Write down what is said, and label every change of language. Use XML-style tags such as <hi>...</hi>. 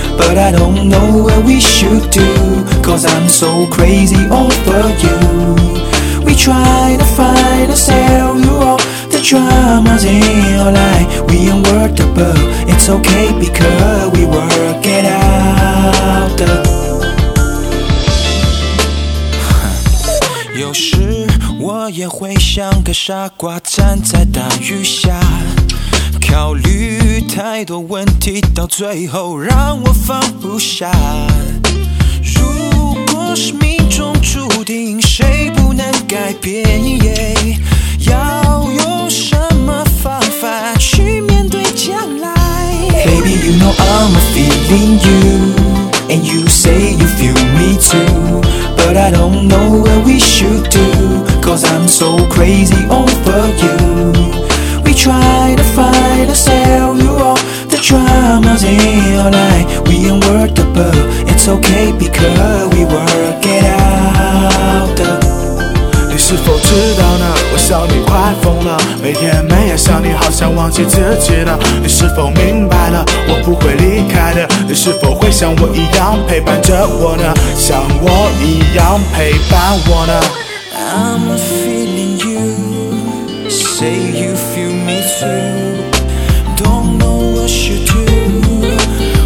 <en>But I don't know what we should do, 'cause I'm so crazy over you. We try to find ourselves through all the dramas in our life. We ain't worth it, but it's okay, because we work it out the...</en> <zh>有时我也会像个傻瓜站在大雨下，考虑太多问题，到最后让我放不下。如果是命中注定，谁不能改变？要用什么方法去面对将来？</zh> <en>Baby, you know I'm feeling you, and you say you feel me too. But I don't know what we should do, 'cause I'm so crazy over you. We try to find ourselves through all the dramas in our life. We ain't worth it, but it's okay, because we work it out.</en> <zh>你是否知道呢？我想你快疯了，每天每夜想你，好像忘记自己了。你是否明白了？我不会离开的。你是否会像我一样陪伴着我呢？像我一样陪伴我呢？</zh> <en>I'm feeling you, say you feel me too. Don't know what should do.</en>